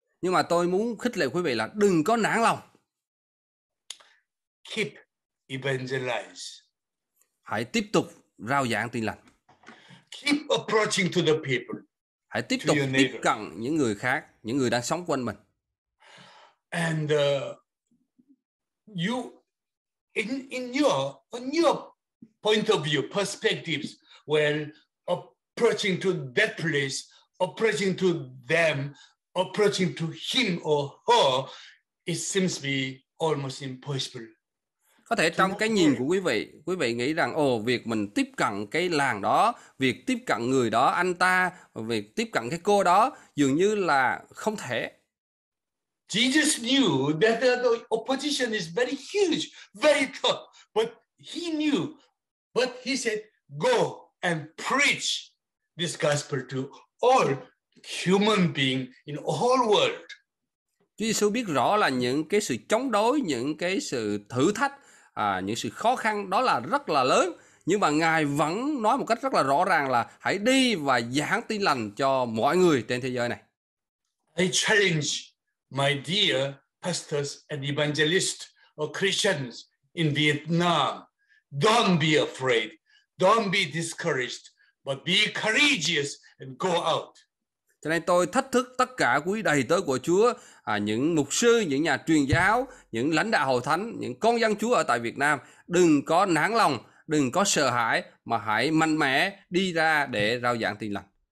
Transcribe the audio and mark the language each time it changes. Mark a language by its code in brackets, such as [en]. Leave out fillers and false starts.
[vi] Nhưng mà tôi muốn khích lệ quý vị là đừng có nản lòng. [en] Keep evangelize. [vi] Hãy tiếp tục rao giảng tin lành. [en] Keep approaching to the people. [vi] Hãy tiếp tục tiếp cận những người khác, những người đang sống quanh mình. [en] And you in your point of view, perspectives, well, approaching to that place, approaching to them, approaching to him or her, it seems to be almost impossible. [vi] Có thể trong cái nhìn của quý vị nghĩ rằng việc mình tiếp cận cái làng đó, việc tiếp cận người đó, anh ta, việc tiếp cận cái cô đó dường như là không thể. [en] Jesus knew that the opposition is very huge, very tough, but he said, go and preach this gospel to all human being in all world. [vi] Chúa Giêsu biết rõ là những cái sự chống đối, những cái sự thử thách, những sự khó khăn đó là rất là lớn, nhưng mà Ngài vẫn nói một cách rất là rõ ràng là hãy đi và giảng tin lành cho mọi người trên thế giới này. [en] I challenge my dear pastors and evangelists or Christians in Vietnam, don't be afraid, don't be discouraged, but be courageous and go out. [vi] Cho nên tôi thách thức tất cả quý đầy tớ của Chúa, những mục sư, những nhà truyền giáo, những lãnh đạo hội thánh, những con dân Chúa ở tại Việt Nam, đừng có nản lòng, đừng có sợ hãi, mà hãy mạnh mẽ đi ra để rao giảng tin lành.